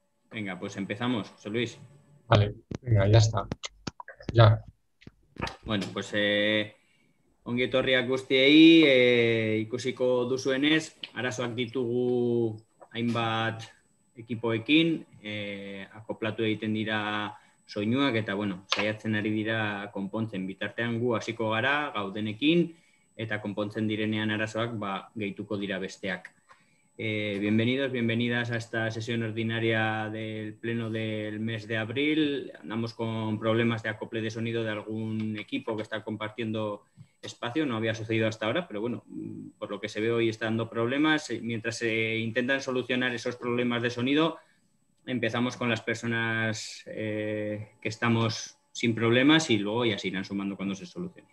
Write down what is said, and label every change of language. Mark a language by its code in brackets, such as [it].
[es] Venga, pues empezamos, José Luis. Vale, venga, ya está. Ya. [eu] Bueno, pues ongietorriak guztiei, ikusiko duzuenez, arazoak ditugu hainbat ekipoekin, akoplatu egiten dira soinuak, eta bueno, saiatzen ari dira konpontzen. Bitartean gu hasiko gara gaudenekin, eta konpontzen direnean arazoak ba, gehituko dira besteak. [es] Bienvenidos, bienvenidas a esta sesión ordinaria del pleno del mes de abril. Andamos con problemas de acople de sonido de algún equipo que está compartiendo espacio. No había sucedido hasta ahora, pero bueno, por lo que se ve hoy está dando problemas. Mientras se intentan solucionar esos problemas de sonido, empezamos con las personas que estamos sin problemas y luego ya se irán sumando cuando se solucione.